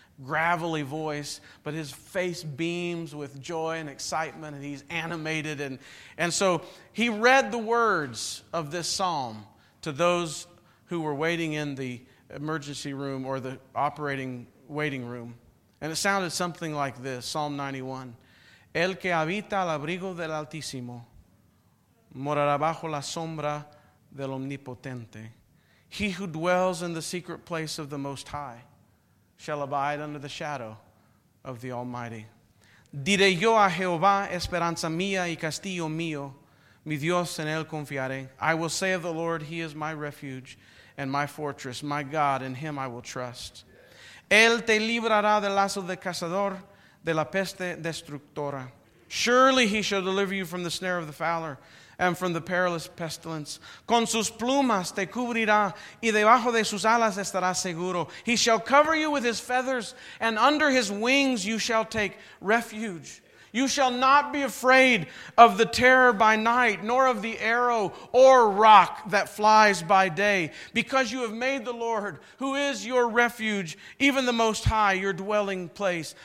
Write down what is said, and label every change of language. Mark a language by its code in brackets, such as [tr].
[en] Gravelly voice, but his face beams with joy and excitement, and he's animated. And so he read the words of this psalm to those who were waiting in the emergency room or the operating waiting room. And it sounded something like this, Psalm 91. [es] El que habita al abrigo del Altísimo morará bajo la sombra del Omnipotente. [en] He who dwells in the secret place of the Most High shall abide under the shadow of the Almighty. [es] Diré yo a Jehová, esperanza mía y castillo mío, mi Dios en él confiaré. [en] I will say of the Lord, he is my refuge and my fortress, my God, in him I will trust. [es] Él te librará del lazo del cazador, de la peste destructora. [en] Surely he shall deliver you from the snare of the fowler and from the perilous pestilence. [es] Con sus plumas te cubrirá, y debajo de sus alas estarás seguro. [en] He shall cover you with his feathers, and under his wings you shall take refuge. You shall not be afraid of the terror by night, nor of the arrow or rock that flies by day, because you have made the Lord, who is your refuge, even the Most High, your dwelling place.